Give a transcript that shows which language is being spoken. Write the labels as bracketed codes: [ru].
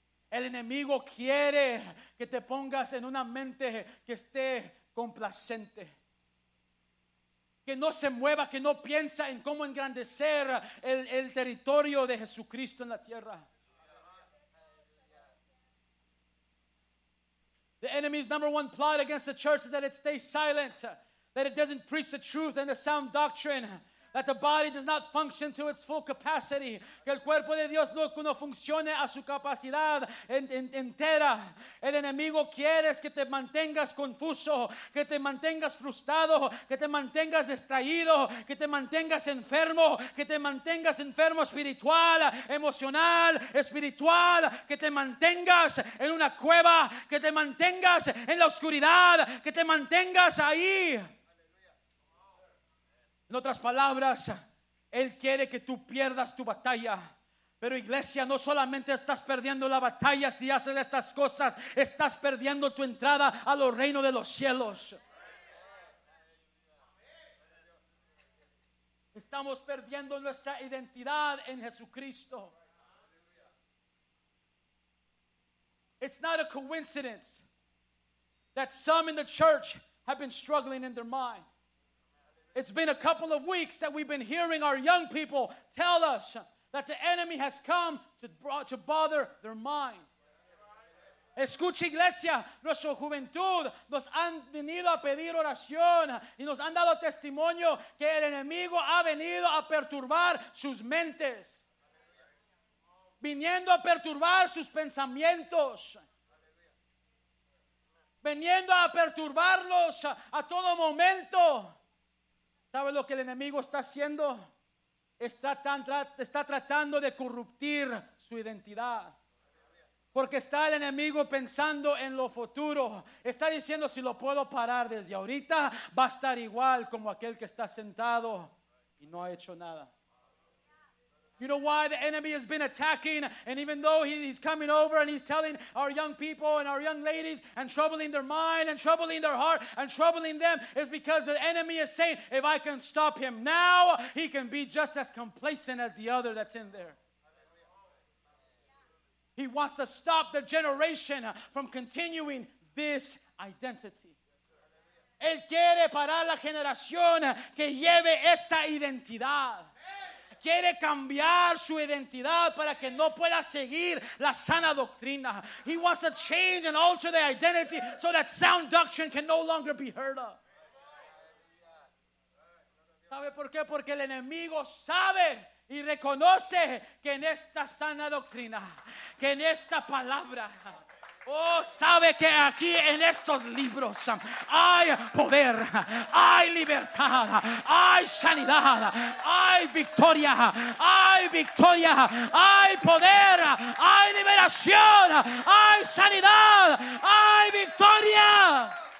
[es] El enemigo quiere que te pongas en una mente que esté complacente, que no se mueva, que no piensa en cómo engrandecer el territorio de Jesucristo en la tierra. [en] The enemy's number one plot against the church is that it stays silent, that it doesn't preach the truth and the sound doctrine, that the body does not function to its full capacity, [es] que el cuerpo de Dios no funcione a su capacidad entera. El enemigo quiere que te mantengas confuso, que te mantengas frustrado, que te mantengas distraído, que te mantengas enfermo, que te mantengas enfermo espiritual, emocional, espiritual, que te mantengas en una cueva, que te mantengas en la oscuridad, que te mantengas ahí. En otras palabras, Él quiere que tú pierdas tu batalla. Pero iglesia, no solamente estás perdiendo la batalla si haces estas cosas, estás perdiendo tu entrada a los reinos de los cielos. Estamos perdiendo nuestra identidad en Jesucristo. [en] It's not a coincidence that some in the church have been struggling in their mind. It's been a couple of weeks that we've been hearing our young people tell us that the enemy has come to bother their mind. [es] Escucha iglesia, nuestra juventud nos han venido a pedir oración y nos han dado testimonio que el enemigo ha venido a perturbar sus mentes, viniendo a perturbar sus pensamientos, viniendo a perturbarlos a todo momento. ¿Sabes lo que el enemigo está haciendo? Está tratando de corruptir su identidad. Porque está el enemigo pensando en lo futuro. Está diciendo, si lo puedo parar desde ahorita, va a estar igual como aquel que está sentado y no ha hecho nada. [en] You know why the enemy has been attacking, and even though he's coming over and he's telling our young people and our young ladies and troubling their mind and troubling their heart and troubling them, is because the enemy is saying, if I can stop him now, he can be just as complacent as the other that's in there. He wants to stop the generation from continuing this identity. [es] Él quiere parar la generación que lleve esta identidad. Quiere cambiar su identidad para que no pueda seguir la sana doctrina. [en] He wants to change and alter the identity so that sound doctrine can no longer be heard of. [es] ¿Sabe por qué? Porque el enemigo sabe y reconoce que en esta sana doctrina, que en esta palabra, oh, sabe que aquí en estos libros hay poder, hay libertad, hay sanidad, hay victoria, hay poder, hay liberación, hay sanidad, hay victoria.